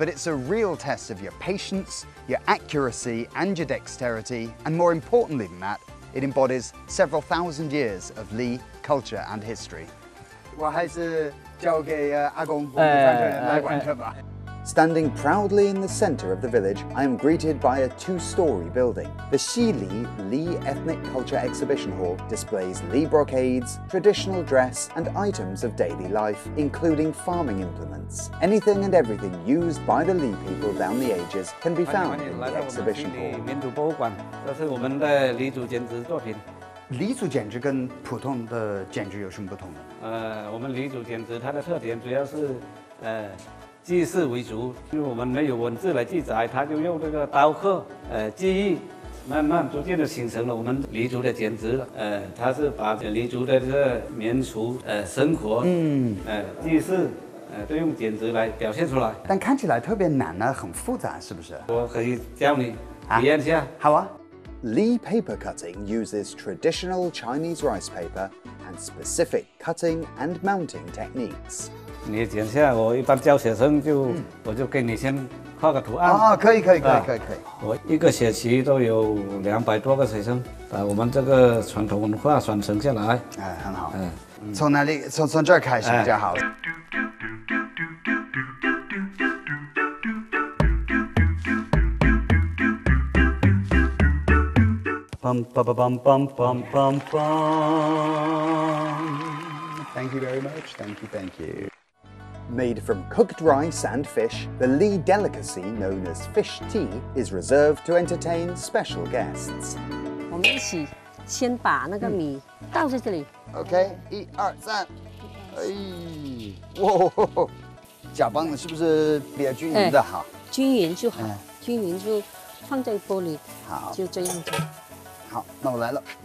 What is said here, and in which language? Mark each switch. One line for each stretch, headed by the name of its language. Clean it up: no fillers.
English: But it's a real test of your patience, your accuracy, and your dexterity. And more importantly than that, it embodies several thousand years of Li culture and history.
Chinese: 我还是交给阿公我们传承人来完成吧。
English: Standing proudly in the center of the village, I am greeted by a two-story building. The Xi Li, Li Ethnic Culture Exhibition Hall, displays Li brocades, traditional dress, and items of daily life, including farming implements. Anything and everything used by the Li people down the ages can be found in the exhibition hall.
Chinese: 民族博物馆，这是我们的黎族剪纸作品。黎族剪纸跟普通的剪纸有什么不同呢？我们黎族剪纸它的特点主要是，记事为主，就我们没有文字来记载，他就用这个刀刻，记忆，慢慢逐渐的形成了我们黎族的剪纸，他是把黎族的这个民俗，生活，记事，都用剪纸来表现出来。但看起来特别难啊，很复杂，是不是？我可以教你体验一下。好啊。
English: Li paper cutting uses traditional Chinese rice paper and specific cutting and mounting techniques.
Chinese: 你剪下，我一般教学生就，我就给你先画个图案。可以。我一个学期都有200多个学生，把我们这个传统文化传承下来。很好。从哪里？从这儿开始比较好。 Bum bum bum bum bum bum bum.
English: Thank you very much. Thank you. Made from cooked rice and fish, the Li delicacy known as fish tea is reserved to entertain special guests.
Chinese: 我们一起先把那个米倒在这里。 OK， 一二三，哎，哇，搅拌的是不是比较均匀的好？均匀就好，均匀就放在锅里。好，就这样装。好，那我来了。